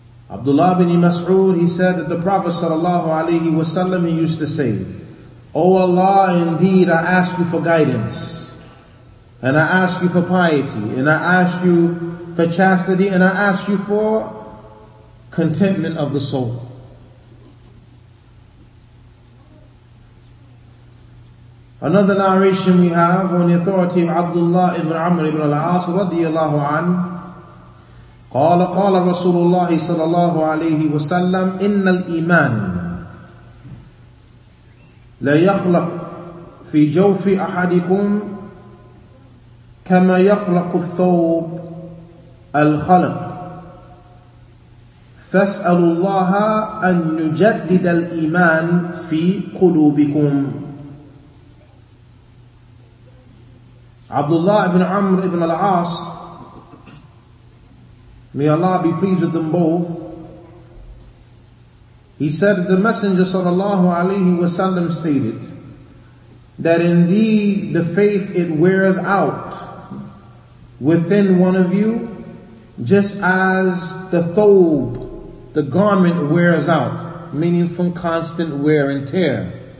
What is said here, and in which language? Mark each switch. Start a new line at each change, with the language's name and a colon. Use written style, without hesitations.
English: Abdullah ibn Mas'ud, he said that the Prophet sallallahu alayhi wa sallam, he used to say, O Allah, indeed I ask you for guidance, and I ask you for piety, and I ask you for chastity, and I ask you for contentment of the soul. Another narration we have on the authority of Abdullah ibn Amr ibn al-As radiyallahu anhu,
Arabic: قال قال رسول الله صلى الله عليه وسلم إن الإيمان لا يخلق في جوف أحدكم كما يخلق الثوب الخلق فاسألوا الله أن يجدد الإيمان في قلوبكم.
English: عبد الله بن عمرو بن العاص, may Allah be pleased with them both, he said, the Messenger sallallahu alayhi wa sallam stated that indeed the faith, it wears out within one of you just as the thobe, the garment, wears out, meaning from constant wear and tear.